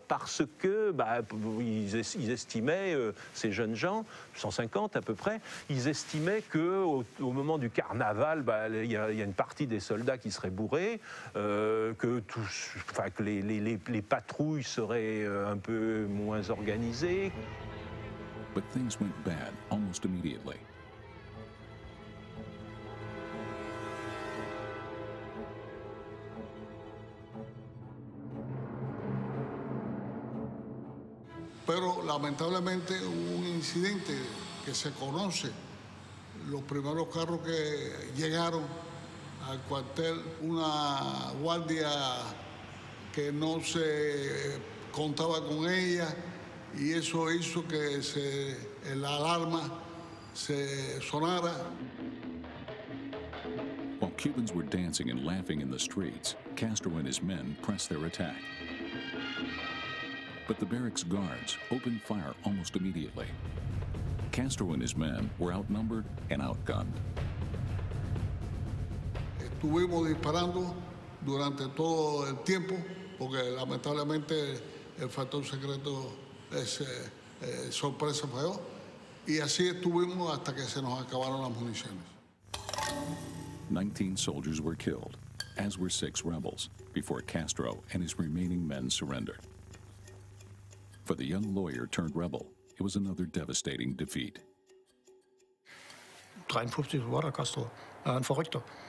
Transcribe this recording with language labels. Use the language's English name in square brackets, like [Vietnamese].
[French] Parce que ils estimaient, ces jeunes gens, 150 à peu près, ils estimaient qu'au moment du carnaval, il y a une partie des soldats qui seraient bourrés, que les patrouilles seraient un peu moins organisées. [English] But things went bad almost immediately. [Spanish] Pero lamentablemente hubo un incidente que se conoce. Los primeros carros que llegaron al cuartel, una guardia que no se contaba con ella, y eso hizo que la alarma se sonara. [English] While Cubans were dancing and laughing in the streets, Castro and his men pressed their attack. But the barracks guards opened fire almost immediately. Castro and his men were outnumbered and outgunned. [Spanish] Estuvimos disparando durante todo el tiempo porque lamentablemente el factor secreto es sorpresa falló, y así estuvimos hasta que se nos acabaron las municiones. [English] 19 soldiers were killed, as were 6 rebels, before Castro and his remaining men surrendered. For the young lawyer turned rebel, it was another devastating defeat. [German] 53 war der Castro, ein Verrückter.